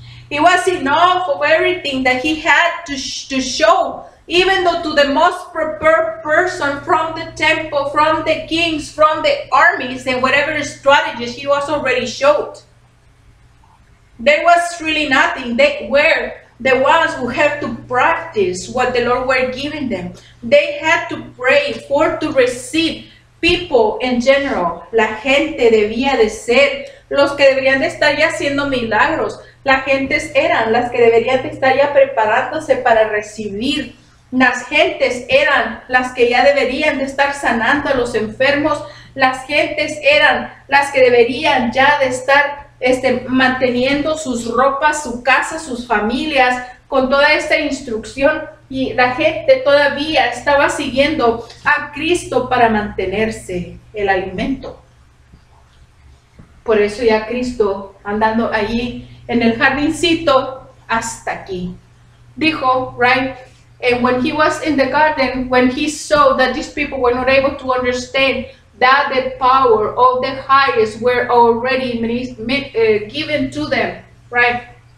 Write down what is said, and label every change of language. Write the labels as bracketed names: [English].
[English] It was enough of everything that he had to show, even though to the most prepared person from the temple, from the kings, from the armies, and whatever strategies he was already showed. There was really nothing. They were the ones who had to practice what the Lord were giving them. They had to pray for to receive people in general. [Spanish] La gente debía de ser los que deberían de estar ya haciendo milagros. Las gentes eran las que deberían de estar ya preparándose para recibir. Las gentes eran las que ya deberían de estar sanando a los enfermos. Las gentes eran las que deberían ya de estar manteniendo sus ropas, su casa, sus familias, con toda esta instrucción. Y la gente todavía estaba siguiendo a Cristo para mantenerse el alimento. Por eso ya Cristo, andando allí en el jardincito, hasta aquí, dijo, right? [English] And when he was in the garden, when he saw that these people were not able to understand that the power of the highest were already given to them, right?